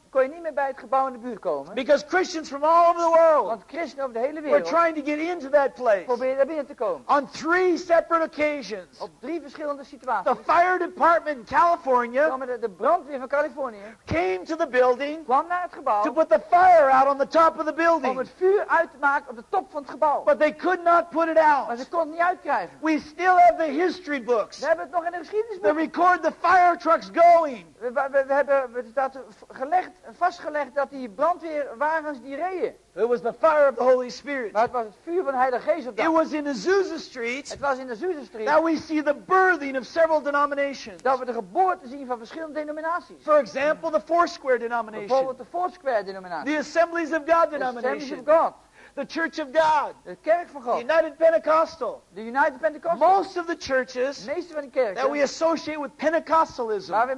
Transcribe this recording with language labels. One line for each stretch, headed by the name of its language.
Dutch: kon je niet meer bij het gebouw in de buurt komen.
English: Because Christians from all over the world.
Dutch: Want christenen over de hele wereld.
English: Were trying to get into that place.
Dutch: Probeerden daar binnen te komen.
English: On three separate occasions.
Dutch: Op drie verschillende situaties.
English: The fire department in California.
Dutch: Kwam de brandweer van Californië.
English: Came to the building.
Dutch: Kwam naar het gebouw.
English: To put the fire out on the top of the building.
Dutch: Om het vuur uit te maken op de top van het gebouw.
English: But they could not put it out.
Dutch: Maar ze konden het niet uitkrijgen.
English: We still have the history books.
Dutch: We hebben het nog in de geschiedenisboeken.
English: They record the fire trucks going.
Dutch: We hebben dat gelegd. Vastgelegd dat die brandweerwagens die reden.
English: It was the fire of the Holy Spirit.
Dutch: Maar het was het vuur van de Heilige Geest op dat.
English: It was in Azusa Street.
Dutch: Het was in Azusa Street.
English: That we see the birthing of several denominations.
Dutch: Dat we de geboorte zien van verschillende denominaties.
English: For example, the Foursquare denomination.
Dutch: Bijvoorbeeld de Foursquare denominatie.
English: The Assemblies of God denomination. The Assemblies of God. The Church of God.
Dutch: De kerk van God.
English: United Pentecostal. The United Pentecostal. Most of the churches.
Dutch: De meeste van de kerken.
English: That we associate with Pentecostalism.